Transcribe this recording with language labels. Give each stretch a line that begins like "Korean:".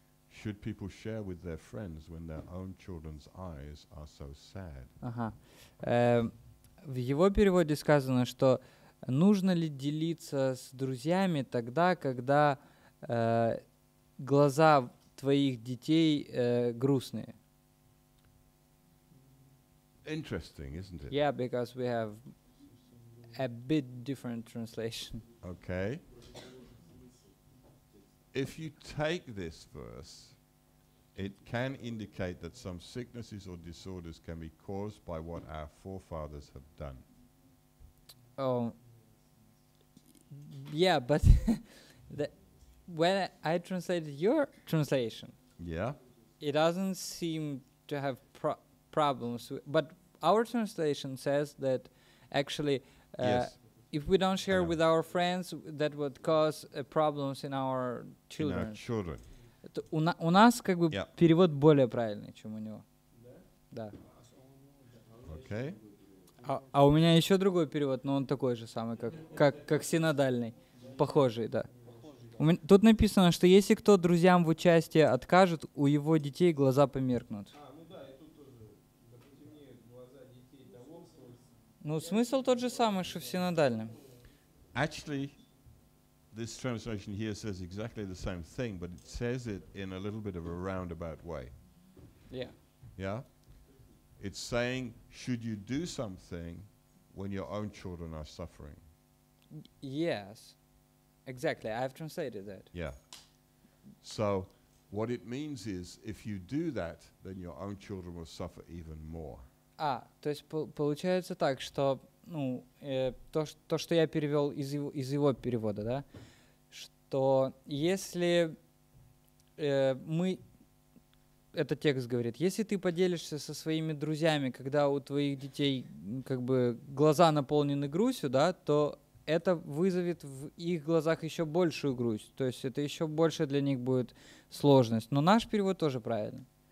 English: Should people share with their friends when their own children's eyes are so sad?
Russian: В его переводе сказано, что нужно ли делиться с друзьями тогда, когда глаза твоих детей грустные?
English: Interesting, isn't it? Yeah, because we have a bit different translation. Okay. If you take this verse, it can indicate that some sicknesses or disorders can be caused by what our forefathers have done. Oh, yeah, but when I translated your translation, yeah, it doesn't seem to have problems. But our translation says that actually, yes. If we don't share with our friends, that would cause problems in our children. In our children.
Russian: У нас как бы перевод более правильный, чем у него. Да.
English: Okay.
Russian: А у меня еще другой перевод, но он такой же самый, как синодальный. Похожий, да. Тут написано, что если кто друзьям в участии откажет, у его детей глаза померкнут. Ну, смысл тот же самый, что в синодальном.
English: Actually, this translation here says exactly the same thing, but it says it in a little bit of a roundabout way. Yeah. Yeah? It's saying, should you do something when your own children are suffering? Yes. Exactly. I've translated that. Yeah. So, what it means is, if you do that, then your own children will suffer even more.
Russian: А, то есть получается так, что ну, то, что я перевел из его перевода, да, что если мы, этот текст говорит, если ты поделишься со своими друзьями, когда у твоих детей как бы глаза наполнены грустью, да, то это вызовет в их глазах еще большую грусть, то есть это еще больше для них будет сложность. Но наш перевод тоже правильный.